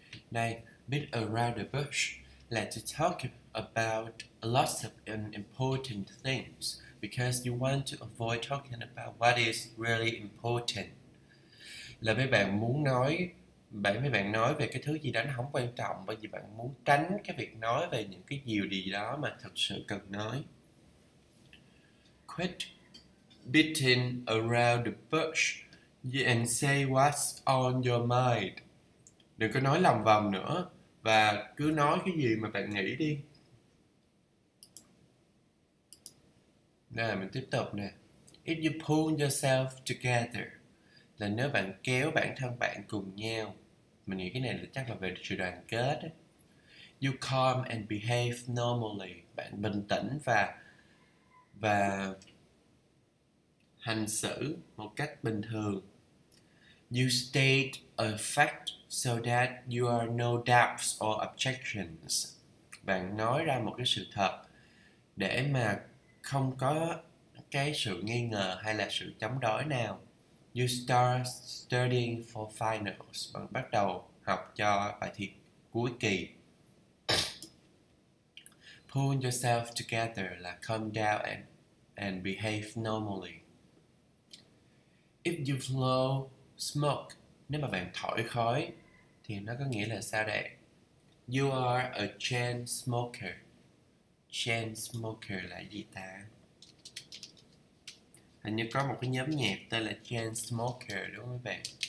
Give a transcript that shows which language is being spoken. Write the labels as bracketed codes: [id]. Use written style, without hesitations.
[en] Đây, beat around the bush là to talk about a lot of important things because you want to avoid talking about what is really important. [vi] Là mấy bạn muốn nói, mấy bạn nói về cái thứ gì đó nó không quan trọng bởi vì bạn muốn tránh cái việc nói về những cái điều gì đó mà thật sự cần nói. [en] Quit beating around the bush. And say what's on your mind. [vi] Đừng có nói lòng vòng nữa và cứ nói cái gì mà bạn nghĩ đi. Nè, mình tiếp tục nè. [en] If you pull yourself together, [vi] là nếu bạn kéo bản thân bạn cùng nhau, mình nghĩ cái này là chắc là về sự đoàn kết. [en] You calm and behave normally, [vi] bạn bình tĩnh và hành xử một cách bình thường. [en] You state a fact so that you are no doubts or objections. [vi] Bạn nói ra một cái sự thật để mà không có cái sự nghi ngờ hay là sự chống đối nào. [en] You start studying for finals. [vi] Bạn bắt đầu học cho bài thi cuối kỳ. [en] Pull yourself together là calm down and behave normally. If you blow smoke, [vi] nếu mà bạn thổi khói thì nó có nghĩa là sao đây? [en] You are a chain smoker. Chain smoker [vi] là gì ta? Hình như có một cái nhóm nhạc tên là Chain Smoker đúng không các bạn?